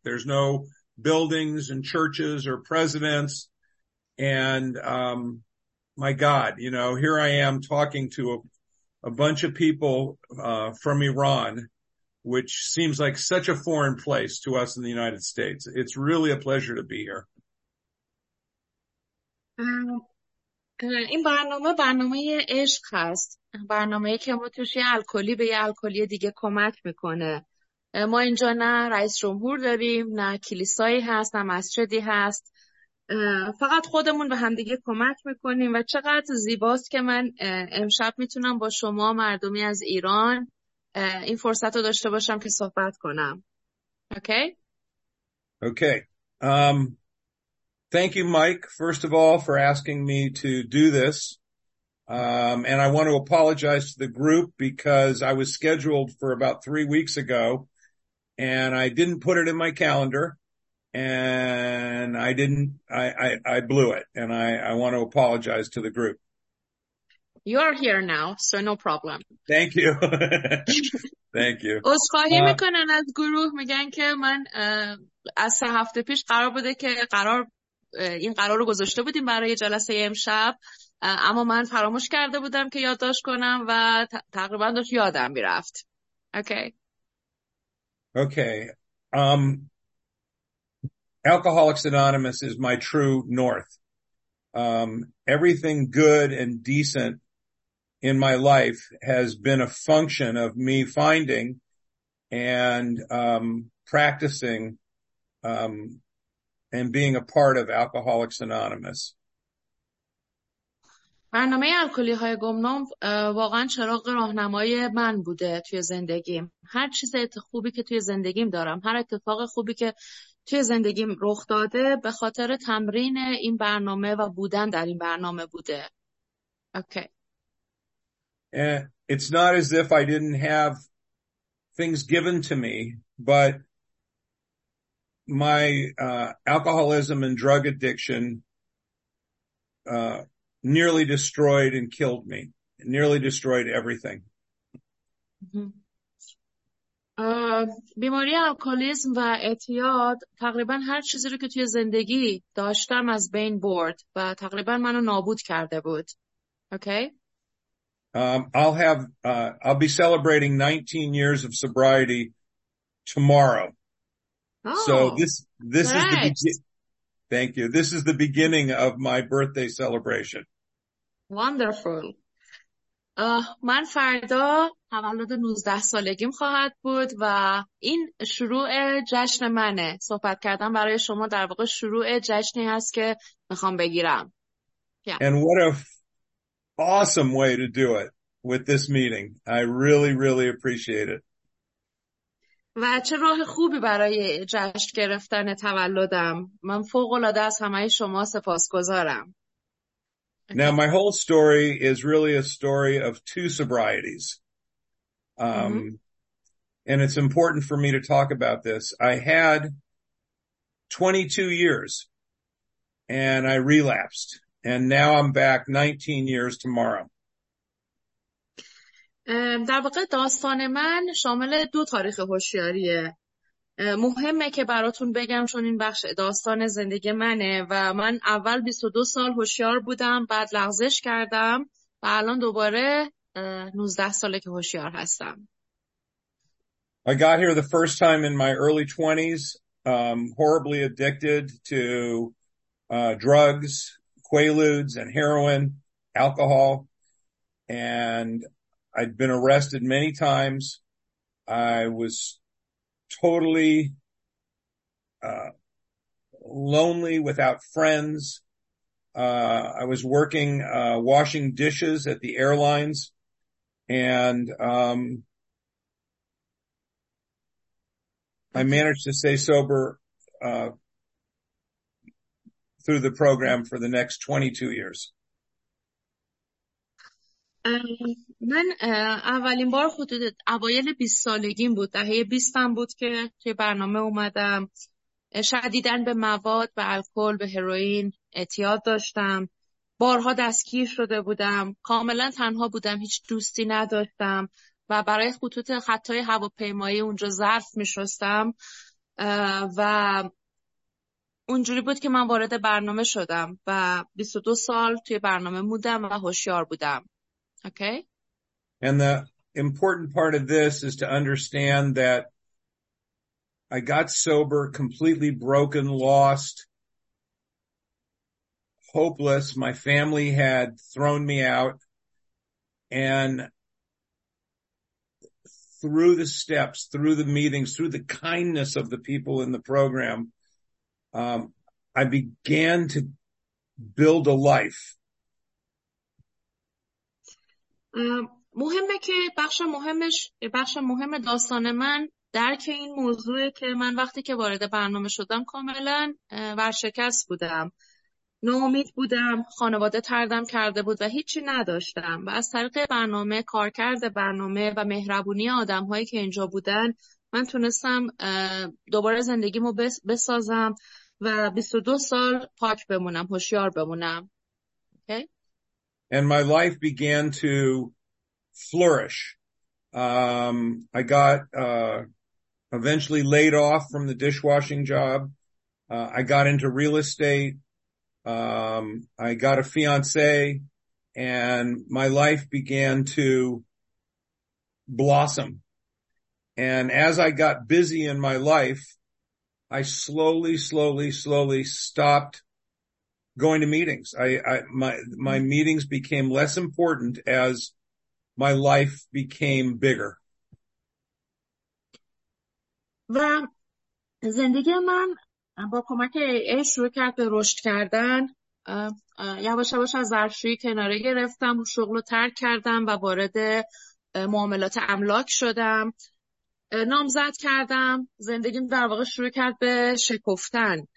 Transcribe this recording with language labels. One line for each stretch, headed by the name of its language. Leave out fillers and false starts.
English: There's no buildings and churches or presidents, and my God, you know, here I am talking to a bunch of people from Iran, which seems like such a foreign place to us in the United States. It's really a pleasure to be here.
Persian: این برنامه عشق هست، برنامه‌ای که ما توش یه الکلی به یه الکلی دیگه کمک میکنه. ما اینجا نه رئیس جمهور داریم، نه کلیسایی هست، نه مسجدی هست، فقط خودمون به همدیگه کمک میکنیم. و چقدر زیباست که من امشب میتونم با شما مردمی از ایران این فرصت رو داشته باشم که صحبت کنم.
English: Okay. Thank you, Mike, first of all, for asking me to do this. And I want to apologize to the group because I was scheduled for about 3 weeks ago and I didn't put it in my calendar and I blew it. And I want to apologize to the group. You are here now, so no problem. Thank you. Thank you.
Persian: عذرخواهی میکنن از گروه، میگن که من از سه هفته پیش قرار بوده که این قرار رو گذاشته بودیم برای جلسه امشب، اما من فراموش کرده بودم که یادداشت کنم و تقریبا داشت یادم میرفت.
English: Okay. Alcoholics Anonymous is my true north. Everything good and decent in my life has been a function of me finding and practicing and being a part of Alcoholics Anonymous.
Persian: برنامه الکلی های گمنام واقعا چراغ راهنمای من بوده توی زندگیم. هر چیز خوبی که توی زندگیم دارم، هر اتفاق خوبی که توی زندگیم رخ داده، به خاطر تمرین این برنامه و بودن در این برنامه بوده.
English: Okay. It's not as if I didn't have things given to me, but my alcoholism and drug addiction nearly destroyed and killed me. It nearly destroyed everything.
Persian: بیماری الکلیسم و اعتیاد تقریبا هر چیزی رو که توی زندگی داشتم از بین برد و تقریبا منو نابود کرده بود.
English: Okay. I'll be celebrating 19 years of sobriety tomorrow. So this great. Is the thank you. This is the beginning of my birthday celebration. Wonderful.
Persian: من فردا تولد 19 سالگیم خواهد بود و این شروع جشن منه. صحبت کردن برای شما در واقع شروع جشنی هست که میخوام بگیرم.
English: And what a awesome way to do it with this meeting. I really, really appreciate it.
Persian: و چه راه خوبی برای جشن گرفتن تولدم. من فوق العاده از همه شما سپاسگزارم.
English: Now my whole story is really a story of two sobrieties. And it's important for me to talk about this. I had 22 years and I relapsed and now I'm back 19 years tomorrow.
Persian: در واقع داستان من شامل دو تاریخ هوشیاریه. مهمه که براتون بگم چون این بخش داستان زندگی منه و من اول 22 سال هوشیار بودم، بعد لغزش کردم و الان دوباره 19 ساله که هوشیار هستم.
English: I got here the first time in my early 20s, horribly addicted to drugs, Quaaludes and heroin, alcohol, and I'd been arrested many times. I was totally lonely, without friends. I was working washing dishes at the airlines, and I managed to stay sober through the program for the next 22 years.
Persian: من اولین بار حدود اوایل 20 سالگیم بود، دهه 20 هم بود که توی برنامه اومدم. شدیداً به مواد، به الکل، به هروئین اعتیاد داشتم. بارها دستگیر شده بودم. کاملاً تنها بودم، هیچ دوستی نداشتم و برای خطوط خطای هواپیمایی اونجا ظرف می‌شستم و اونجوری بود که من وارد برنامه شدم و 22 سال توی برنامه بودم و هوشیار بودم.
English: Okay. And the important part of this is to understand that I got sober, completely broken, lost, hopeless. My family had thrown me out. And through the steps, through the meetings, through the kindness of the people in the program, I began to build a life.
Persian: مهمه که بخش مهم داستان من درک این موضوع که من وقتی که وارد برنامه شدم کاملا ورشکست بودم، ناامید بودم، خانواده طردم کرده بود و هیچی نداشتم و از طریق برنامه، کارکرد برنامه و مهربونی آدم‌هایی که اینجا بودن من تونستم دوباره زندگیمو بسازم و 22 سال پاک بمونم، هوشیار بمونم.
English: Okay. And my life began to flourish. I got eventually laid off from the dishwashing job. I got into real estate. I got a fiance, and my life began to blossom. And as I got busy in my life, I slowly stopped going to meetings. My meetings became less important as my life became bigger.
Persian: و زندگی من با کمک AA شروع کرد به رشد کردن. یواش یواش از ظرفشویی کناره گرفتم، شغل رو ترک کردم و وارد معاملات املاک شدم. نامزد کردم، زندگیم در واقع شروع کرد به شکفتن.